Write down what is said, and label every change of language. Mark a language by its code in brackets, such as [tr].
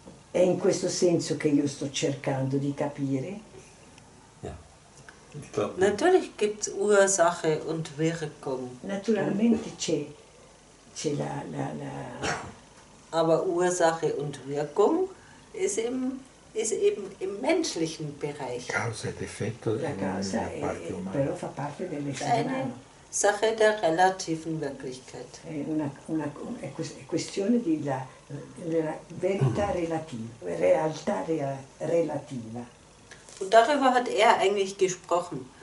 [it] È in questo senso che io sto cercando di capire. [de] Ja. Natürlich gibt's Ursache und Wirkung. [it] Naturalmente c'è la... [de] Aber Ursache und Wirkung ist eben im menschlichen Bereich. [it] Causa ed effetto della causa parte umana. Però fa parte delle [de] eine Sache der relativen Wirklichkeit. [it] È questione della verità relativa. [de] Und darüber hat er eigentlich gesprochen.